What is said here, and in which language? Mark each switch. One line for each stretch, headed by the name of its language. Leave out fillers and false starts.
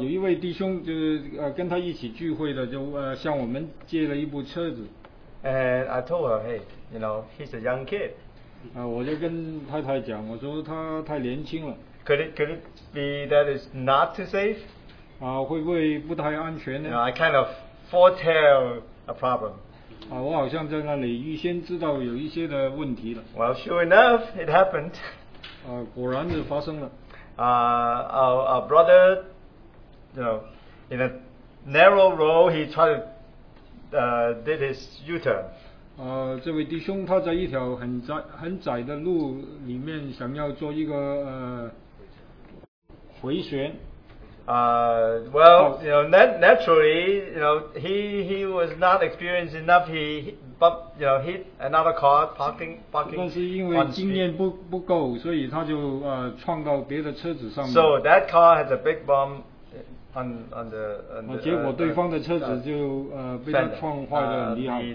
Chinese: 有一位弟兄跟他一起聚会的，就向我们借了一部车子。
English: And I told her, hey, he's a young kid.
Chinese: 我就跟太太讲，我说他太年轻了。
English: Could it be that it's not too safe?
Chinese: 会不会不太安全呢？
English: I kind of foretell a problem.
Chinese: 我好像在那里预先知道有一些的问题了。
English: Well, sure enough, it happened. Our brother, you know, in a narrow row, he tried did his U-turn. Well, you know, naturally, you know, he was not experienced enough. But you know, hit another car, parking.
Chinese: 但是因为经验不够，所以他就撞到别的车子上面。
English: So that car has a big bump on the.
Chinese: 结果对方的车子就被他撞坏的很厉害。